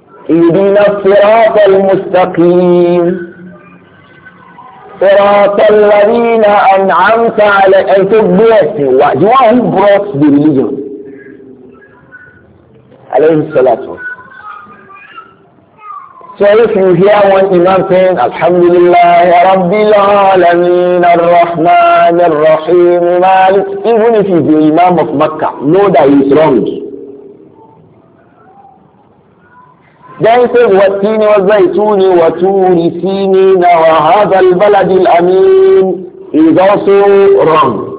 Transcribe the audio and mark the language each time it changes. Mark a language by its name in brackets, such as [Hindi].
[Arabic] اهدنا الصراط المستقيم صراط الذين أنعمت عليهم تبعت الله هو [English] brought the religion [Arabic] عليه الصلاة والسلام. [English] So if you hear one imam saying [Arabic] الحمد لله رب العالمين الرحمن الرحيم مالك, [English] even if he's the imam of Mecca, know that he's wrong. Then he says, [Arabic] وَالْتِينِ وَالْزَيْتُونِ وَتُورِ سِينِينَ وَهَذَا الْبَلَدِ الْأَمِينِ [English] is also wrong.